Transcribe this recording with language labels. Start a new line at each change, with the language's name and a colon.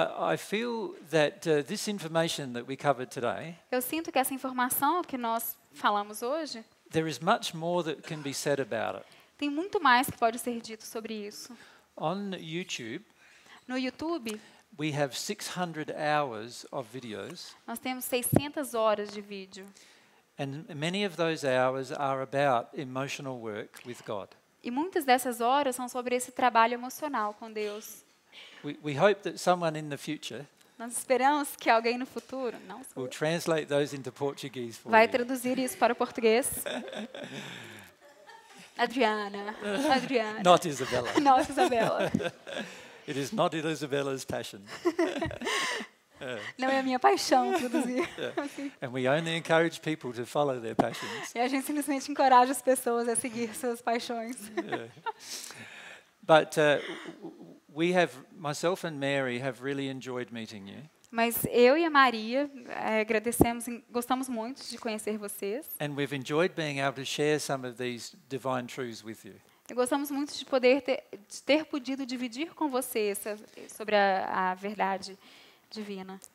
English: I feel that this information that we covered today.
Portuguese: Eu sinto que essa informação que nós falamos hoje.
English: There is much more that can be said about it.
Portuguese: Tem muito mais que pode ser dito sobre isso.
English: On YouTube.
Portuguese: No YouTube.
English: We have 600 hours of videos.
Portuguese: Nós temos 600 horas de vídeo.
English: And many of those hours are about emotional work with God.
Portuguese: E muitas dessas horas são sobre esse trabalho emocional com Deus.
English: We hope that someone in the future.
Portuguese: Nós esperamos que alguém no futuro, não.
English: Will translate those into Portuguese for you.
Portuguese: Vai traduzir isso para o português. Adriana. Adriana.
English: Not Isabella. Not Isabella. It is not Isabella's passion.
Portuguese: Não é a minha paixão produzir. Yeah.
English: And we only encourage people to follow their passions.
Portuguese: E a gente simplesmente encoraja as pessoas a seguir suas paixões.
English: Yeah. But we have myself and Mary have really enjoyed meeting you.
Portuguese: Mas eu e a Maria agradecemos e gostamos muito de conhecer vocês.
English: And we've enjoyed being able to share some of these divine truths with you.
Portuguese: E gostamos muito de poder ter podido dividir com você sobre a verdade divina.